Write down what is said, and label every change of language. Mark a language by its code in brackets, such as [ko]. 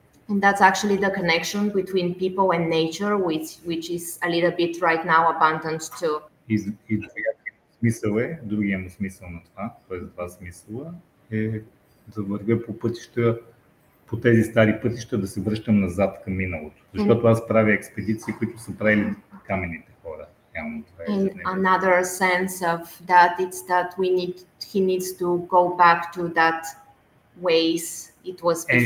[en] And that's actually the connection between people and nature, which is a little bit right now abundant too. [bg] И смисъл е, другия му смисъл на това, т.е. два смисъла, е да вървя по пътища, по тези стари пътища, да се връщам назад към миналото. Защото аз правя експедиции, които са правили камените. [en] And another sense of that is that he needs to go back to that ways it was